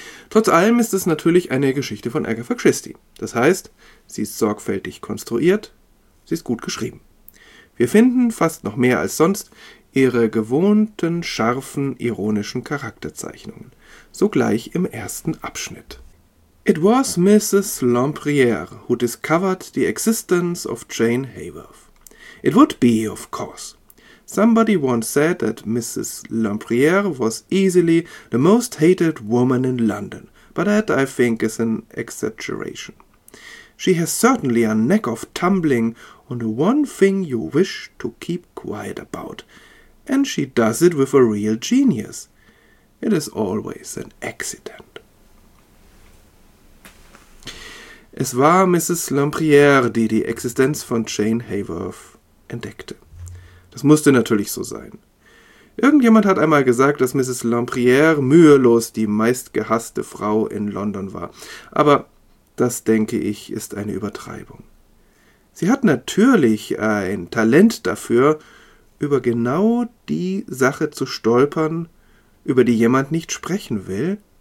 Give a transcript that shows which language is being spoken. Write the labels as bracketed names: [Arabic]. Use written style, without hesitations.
[German] Trotz allem ist es natürlich eine Geschichte von Agatha Christie. Das heißt, sie ist sorgfältig konstruiert, sie ist gut geschrieben. Wir finden, fast noch mehr als sonst, ihre gewohnten, scharfen, ironischen Charakterzeichnungen. Sogleich im ersten Abschnitt. [English] It was Mrs. Lempriere who discovered the existence of Jane Hayworth. It would be, of course. Somebody once said that Mrs. Lempriere was easily the most hated woman in London, but that, I think, is an exaggeration. She has certainly a knack of tumbling on the one thing you wish to keep quiet about, and she does it with a real genius. It is always an accident. [German] Es war Mrs. Lempriere, die die Existenz von Jane Haworth entdeckte. Das musste natürlich so sein. Irgendjemand hat einmal gesagt, dass Mrs. Lempriere mühelos die meistgehasste Frau in London war. Aber das, denke ich, ist eine Übertreibung. Sie hat natürlich ein Talent dafür, über genau die Sache zu stolpern, über die jemand nicht sprechen will.